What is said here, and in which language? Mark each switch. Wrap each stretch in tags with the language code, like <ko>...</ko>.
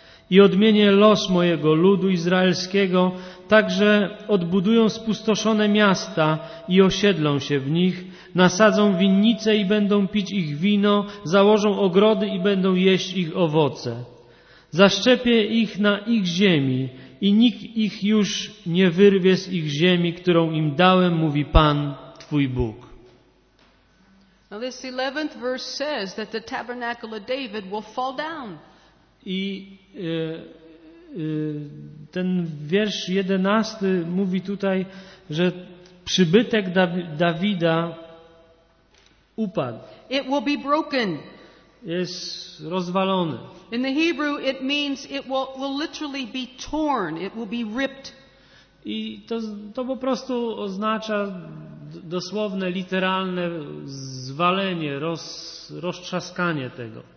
<pl>I odmienię los mojego ludu izraelskiego, także odbudują spustoszone miasta i osiedlą się w nich, nasadzą winnice i będą pić ich wino, założą ogrody i będą jeść ich owoce. Zaszczepię ich na ich ziemi i nikt ich już nie wyrwie z ich ziemi, którą im dałem, mówi Pan, Twój Bóg.</pl> <en>Now this 11th verse says that the tabernacle of David will fall down.</en> <pl>I ten wiersz 11 mówi tutaj, że przybytek Dawida upadł.</pl> <en>It will be broken.</en> <pl>Jest rozwalony.</pl> <en>In the Hebrew it means it will literally be torn, it will be ripped.</en> <pl>I to po prostu oznacza dosłowne, literalne zwalenie, roztrzaskanie tego.</pl>